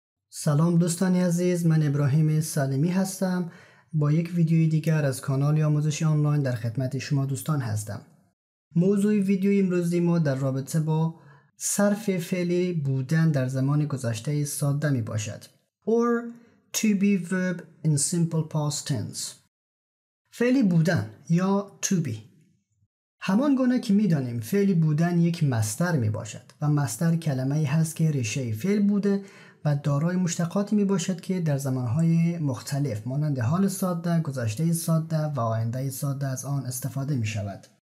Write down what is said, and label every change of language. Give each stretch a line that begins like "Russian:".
Persian: سلام دوستان عزیز، من ابراهیم سلیمی هستم. با یک ویدیوی دیگر از کانال آموزشی آنلاین در خدمت شما دوستان هستم. موضوع ویدیوی امروزی ما در رابطه با صرف فعلی بودن در زمان گذشته ساده می باشد.
English: Or to be verb in simple past tense.
Persian: فعلی بودن یا to be. همان گونه که می دانیم فعلی بودن یک مصدر می باشد و مصدر کلمه ای هست که ریشه فعل بوده و دارای مشتقاتی می باشد که در زمانهای مختلف مانند حال ساده، گذشته ساده و آینده ساده از آن استفاده می شود.